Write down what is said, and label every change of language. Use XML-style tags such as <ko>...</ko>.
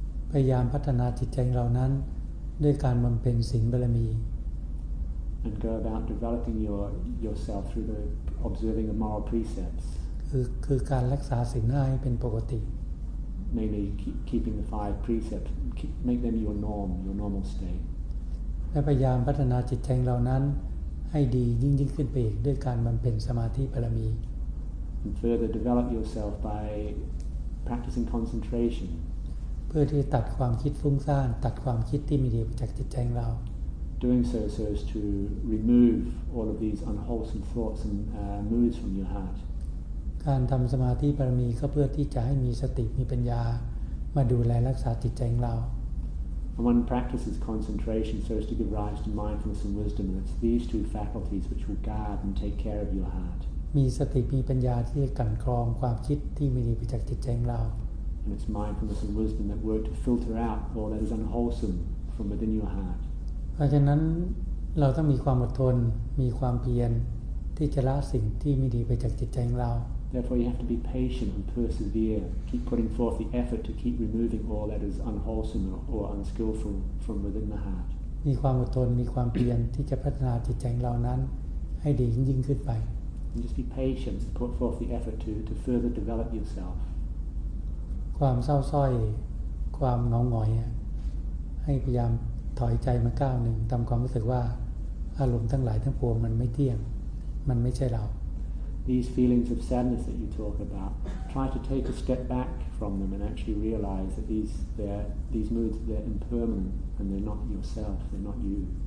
<th>พยายามพัฒนาจิตใจเรานั้นด้วยการบำเพ็ญศีลบารมี</th> <en>And go about developing yourself through the observing of moral precepts.</en> <th>คือการรักษาศีลให้เป็นปกติ</th> <en>Mainly keeping the five precepts, make them your normal state.</en> <th>และพยายามพัฒนาจิตใจเรานั้นให้ดียิ่งขึ้นไปอีกด้วยการบำเพ็ญสมาธิบารมี</th> <en>And further develop yourself by practicing concentration</en> <th>เพื่อที่ตัดความคิดฟุ้งซ่านตัดความคิดที่ไม่ดีจากจิตใจของเรา</th> <en>Doing so so as to remove all of these unwholesome thoughts and moods from your heart</en> <th>การทำสมาธิบารมีก็เพื่อที่จะให้มีสติมีปัญญามาดูแลรักษาจิตใจของเรา</th> <en>And one practices concentration so as to give rise to mindfulness and wisdom, and it's these two faculties which will guard and take care of your heart.</en> <th>มีสติมีปัญญาที่กันกรองความคิดที่ไม่ดีไปจากจิตใจของเรา</th> <en>And it's mindfulness and wisdom that work to filter out all that is unwholesome from within your heart.</en> <th>เพราะฉะนั้นเราต้องมีความอดทนมีความเพียร ที่จะละสิ่งที่ไม่ดีไปจากจิตใจของเรา</th> <en>Therefore you have to be patient and persevere keep putting forth the effort to keep removing all that is unwholesome or unskillful from within the heart</en> <th>มีความอดทนมีความเพียรที่จะพัฒนาจิตใจของเรานั้นให้ดียิ่งขึ้นไป</th> <en>And just be patient to put forth the effort to further develop yourself</en> <th>ความเศร้าสร้อยความเหงาหงอยให้พยายามถอยใจมาก้าวหนึ่งทำความรู้สึกว่าอารมณ์ทั้งหลายทั้งปวงมันไม่เที่ยงมันไม่ใช่เรา</th> <en>These feelings of sadness that you talk about try to take a step back from them and actually realize that these moods they're impermanent and they're not yourself they're not you</en>